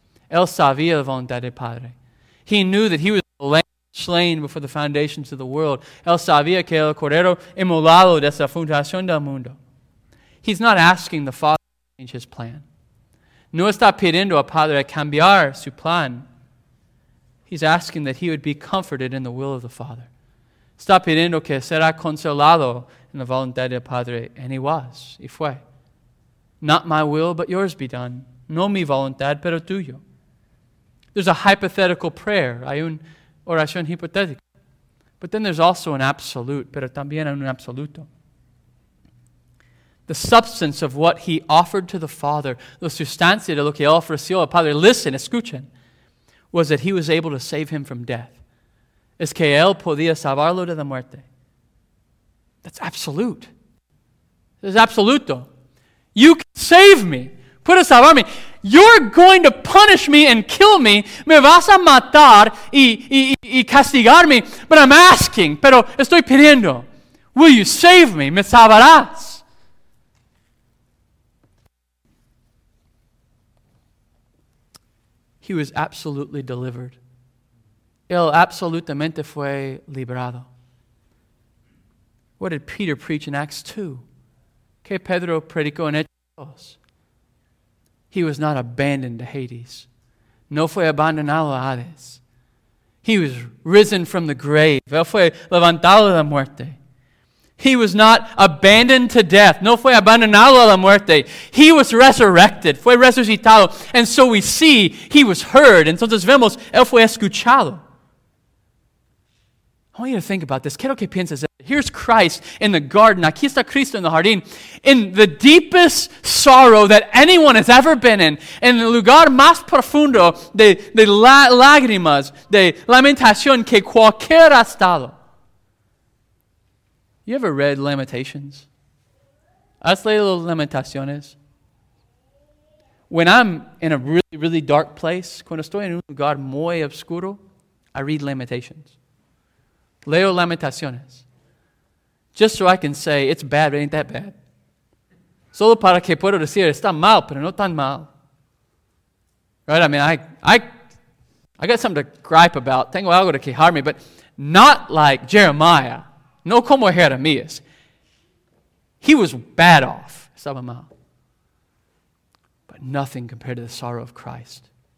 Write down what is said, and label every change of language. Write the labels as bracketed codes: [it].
[es] Él sabía la voluntad del Padre. [en] He knew that he was the lamb slain before the foundations of the world. [es] Él sabía que el cordero inmolado desde la fundación del mundo. [en] He's not asking the Father to change his plan. [es] No está pidiendo a Padre a cambiar su plan. [en] He's asking that he would be comforted in the will of the Father. [es] Está pidiendo que será consolado en la voluntad del Padre. [en] And he was, [es] y fue. [en] Not my will, but yours be done. [es] No mi voluntad, pero tuyo. [en] There's a hypothetical prayer. [es] Hay una oración hipotética. [en] But then there's also an absolute, [es] pero también un absoluto. [en] The substance of what he offered to the Father, [es] la sustancia de lo que él ofreció al Padre, [en] listen, [es] escuchen, [en] was that he was able to save him from death. [es] Es que él podía salvarlo de la muerte. [en] That's absolute. It's absoluto. You can save me. [es] Puedes salvarme. [en] You're going to punish me and kill me. [es] Me vas a matar y castigarme. [en] But I'm asking, [es] pero estoy pidiendo, [en] will you save me? [es] Me salvarás. [en] He was absolutely delivered. [es] Él absolutamente fue librado. [en] What did Peter preach in Acts 2? [es] ¿Qué Pedro predicó en Hechos 2? [en] He was not abandoned to Hades. [es] No fue abandonado a Hades. [en] He was risen from the grave. [es] Él fue levantado de la muerte. [en] He was not abandoned to death. [es] No fue abandonado a la muerte. [en] He was resurrected. [es] Fue resucitado. [en] And so we see he was heard. [es] Entonces vemos, él fue escuchado. [en] I want you to think about this. [es] Quiero que pienses. [en] Here's Christ in the garden. [es] Aquí está Cristo en el jardín. [en] In the deepest sorrow that anyone has ever been in. [es] En el lugar más profundo de lágrimas, de lamentación que cualquier ha estado. [en] You ever read Lamentations? [es] ¿Has leído Lamentaciones? [en] When I'm in a really, really dark place, [es] cuando estoy en un lugar muy oscuro, [en] I read Lamentations. [es] Leo Lamentaciones. [en] Just so I can say, it's bad, but ain't that bad. [es] Solo para que puedo decir, está mal, pero no tan mal. [en] Right? I mean, I got something to gripe about. [es] Tengo algo de quejarme, [en] but not like Jeremiah. [es] No como Jeremías. [en] He was bad off. [es] Estaba mal. [en] But nothing compared to the sorrow of Christ.